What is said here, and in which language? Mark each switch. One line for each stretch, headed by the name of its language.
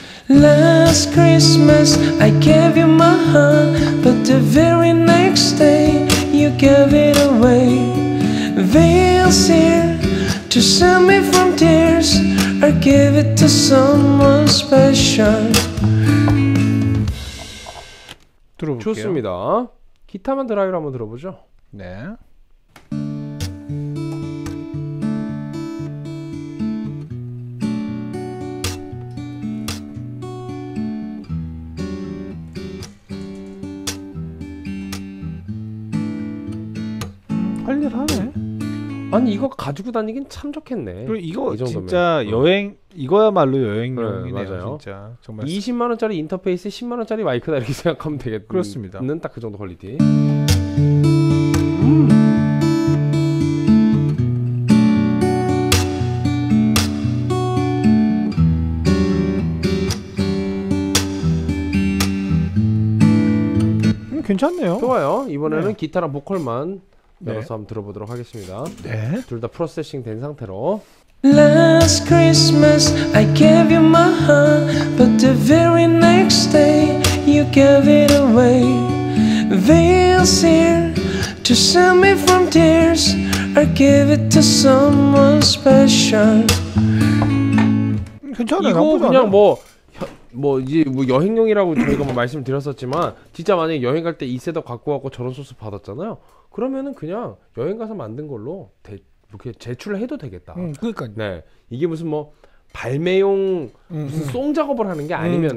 English: Last Christmas I gave you my heart but the very next day you gave it away. This year to save me from tears or give it to someone special.
Korean: 들어볼게요. 좋습니다. 기타만 드라이브로 한번 들어보죠. 네. 아니 이거 가지고 다니긴 참 좋겠네. 그리고 이거 진짜 여행 이거야말로 여행용이네요. 네, 맞아요. 진짜 정말 20만 원짜리 인터페이스에 10만 원짜리 마이크다 이렇게 생각하면 되겠군요. 그렇습니다. 는 딱 그 정도 퀄리티. 괜찮네요. 좋아요. 이번에는 기타랑 보컬만. 열어서 네. 한번 들어보도록 하겠습니다. 네. 둘 다 프로세싱 된 상태로.
English: Last Christmas I gave you my heart but the very next day you gave it away. This year to save me from tears I'll give it to someone special.
Korean: 괜찮아요. 이거 그냥 뭐 뭐 이제 뭐 여행용이라고 저희가 뭐 말씀드렸었지만 진짜 만약에 여행 갈 때 이 셋업 갖고 왔고 저런 소스 받았잖아요. 그러면은 그냥 여행 가서 만든 걸로 이렇게 제출을 해도 되겠다. 그러니까 네. 이게 무슨 뭐 발매용 무슨 송 작업을 하는 게 아니면은